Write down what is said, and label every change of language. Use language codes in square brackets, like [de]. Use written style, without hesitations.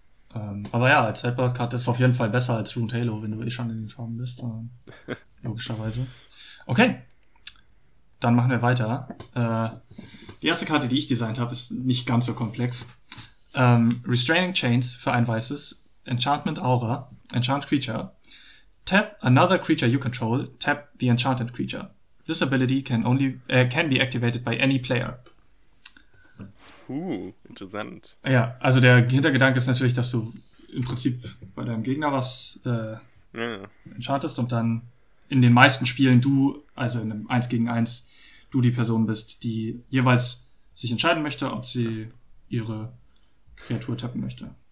[de] Aber ja, als Sideboard-Karte ist auf jeden Fall besser als Rune Halo, wenn du eh schon in den Farben bist. Logischerweise. Okay, dann machen wir weiter. Die erste Karte, die ich designt habe, ist nicht ganz so komplex. Restraining Chains für ein weißes Enchantment Aura, Enchant Creature. [en] Tap another creature you control, tap the Enchanted Creature. This ability can be activated by any player. [de] Interessant. Ja, also der Hintergedanke ist natürlich, dass du im Prinzip bei deinem Gegner was enchantest und dann in den meisten Spielen du, also in einem 1 gegen 1, du die Person bist, die jeweils sich entscheiden möchte, ob sie ihre Kreatur tappen möchte.